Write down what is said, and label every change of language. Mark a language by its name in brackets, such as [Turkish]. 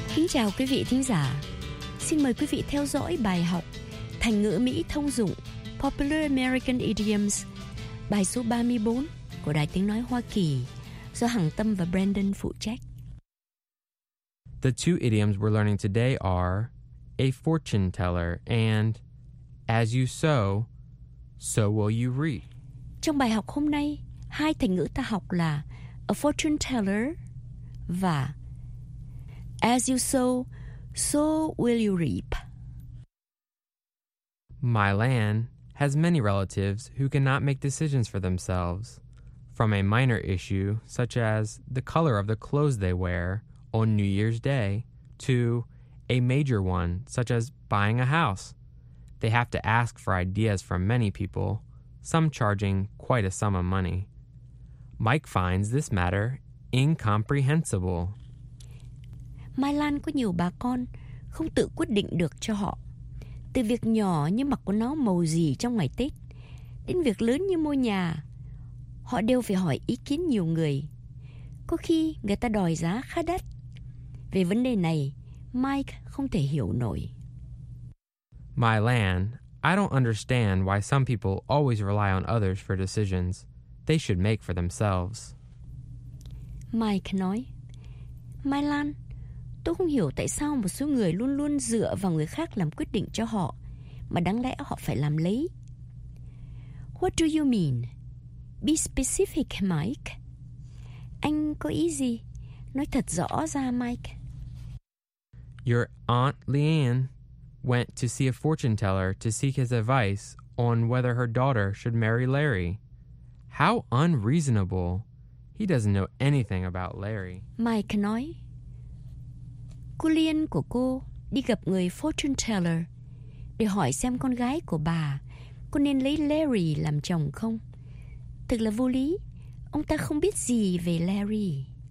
[Vietnamese] Chào quý vị thính giả, xin mời quý vị theo dõi bài học thành ngữ Mỹ thông dụng [English] Popular American Idioms, [Vietnamese] bài số 34 của Đài Tiếng Nói Hoa Kỳ do Hằng Tâm và Brandon phụ trách. [English] The two idioms we're learning today are a fortune teller and as you sow, so will you reap. [Vietnamese] Trong bài học hôm nay, hai thành ngữ ta học là a fortune teller và [English] as you sow, so will you reap. My Lan has many relatives who cannot make decisions for themselves, from a minor issue such as the color of the clothes they wear on New Year's Day to a major one such as buying a house. They have to ask for ideas from many people, some charging quite a sum of money. Mike finds this matter incomprehensible. [Vietnamese] Mai Lan có nhiều bà con không tự quyết định được cho họ. Từ việc nhỏ như mặc của nó màu gì trong ngày Tết, đến việc lớn như mua nhà, họ đều phải hỏi ý kiến nhiều người. Có khi người ta đòi giá khá đắt. Về vấn đề này, Mike không thể hiểu nổi. [English] Mai Lan, I don't understand why some people always rely on others for decisions they should make for themselves. [Vietnamese] Mike nói, Mai Lan, tôi không hiểu tại sao một số người luôn luôn dựa vào người khác làm quyết định cho họ, mà đáng lẽ họ phải làm lấy. [English] What do you mean? Be specific, Mike. [Vietnamese] Anh có ý gì? Nói thật rõ ra, Mike. [English] Your aunt Leanne went to see a fortune teller to seek his advice on whether her daughter should marry Larry. How unreasonable. He doesn't know anything about Larry. [Vietnamese] Mike nói, cô Liên của cô đi gặp người fortune teller để hỏi xem con gái của bà có nên lấy Larry làm chồng không. Thực là vô lý, ông ta không biết gì về Larry.